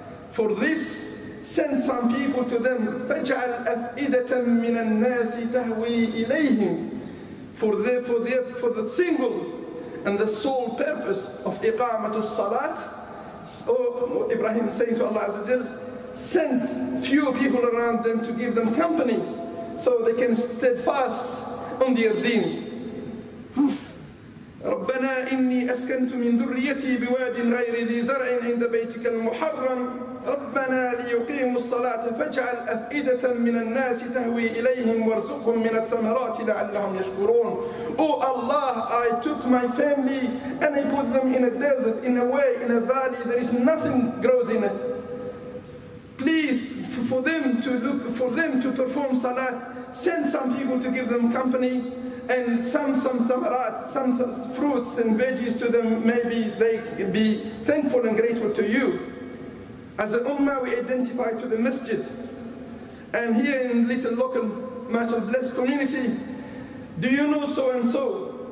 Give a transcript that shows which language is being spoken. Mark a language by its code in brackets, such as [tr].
[en] For this, send some people to them. [ar] فَاجْعَلْ أَفْئِدَةً مِنَ النَّاسِ تَهْوِي إِلَيْهِمْ [en] For the single and the sole purpose of [ar] إِقَامَةُ الصَّلَاةِ [en] So Ibrahim is saying to Allah Azza wa Jal, send few people around them to give them company so they can steadfast on their deen. [ar] ربنا إني أسكنت من ذريتي بواد غير ذي زرع عند بيتك المحرم ربنا ليقيموا الصلاة فاجعل أفئدة من الناس تهوي إليهم وارزقهم من الثمرات لعلهم يشكرون [en] Oh Allah, I took my family and I put them in a desert, in a way, in a valley, there is nothing grows in it. Please, for them to perform salat, send some people to give them company and some tamarat, some fruits and veggies to them, maybe they be thankful and grateful to you. As an ummah, we identify to the masjid. And here in little local, much blessed community, do you know so and so?